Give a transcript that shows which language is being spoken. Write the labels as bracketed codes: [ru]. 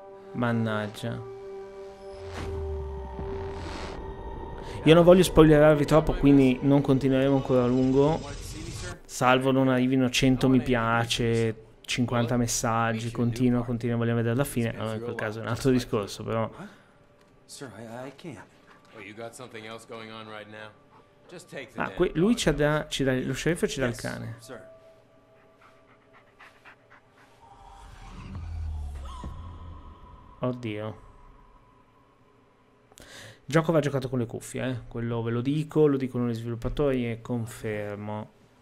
[it] Mannaggia. Io non voglio spoilerarvi troppo, quindi non continueremo ancora a lungo. Salvo non arrivino 100 mi piace, 50 messaggi, continua, vogliamo vedere la fine. Allora, in quel caso è un altro discorso, però. [en] Sir, I can't. Oh, you got something else going on right now? Just take the dead. [it] Lui ci dà lo sceriffo ci dà il cane. Oddio. Il gioco va giocato con le cuffie, eh? Quello ve lo dicono gli sviluppatori e confermo.